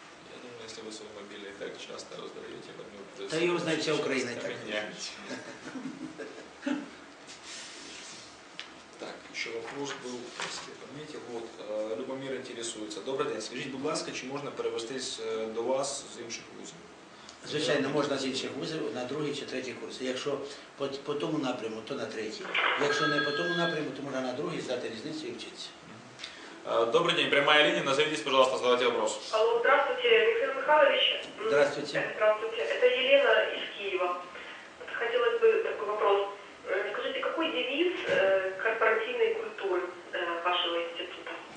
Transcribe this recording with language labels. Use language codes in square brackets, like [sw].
[ru] Я думаю, если вы свой мобильный так часто раздаете, вам не будет... Да и узнает вся Украина. Так. Так, еще вопрос был, если помните. Вот, Любомир интересуется. Добрый день. Скажите, пожалуйста, чи можно перевестись до вас с інших вузов? [uk] Звичайно, можна з інших вузів на другий чи третій курс. Якщо по тому напряму, то на третій. Якщо не по тому напряму, то можна на другий здати різницю і вчитися. Добрий день, пряма лінія. Назовіть, будь ласка, [ru] задайте вопрос. Алло, здравствуйте, Михаил Михайлович. Здравствуйте. Здравствуйте. Это Елена из Києва. [uk] Хотілося б такий вопрос. Скажіть, який девіз корпоративної культури вашого інституту?